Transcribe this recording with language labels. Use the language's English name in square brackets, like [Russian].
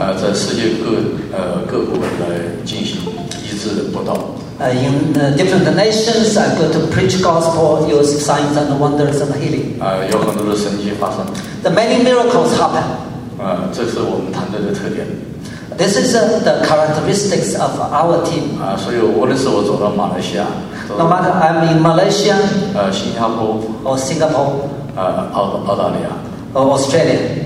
[Chinese] 啊，在世界各国来进行医治布道。 [English] In the different nations, I go to preach gospel, use signs and wonders and healing. [Chinese] 啊，有很多的神迹发生。 [English] The many miracles happen. [Chinese] 啊，这是我们团队的特点。 [English] This is the characteristics of our team. [Chinese] 啊，所以无论是我走到马来西亚 [English] ，No matter I'm in Malaysia. [Chinese] 新加坡 [English] ，or Singapore. [Chinese] 澳大利亚 [English] ，or Australia.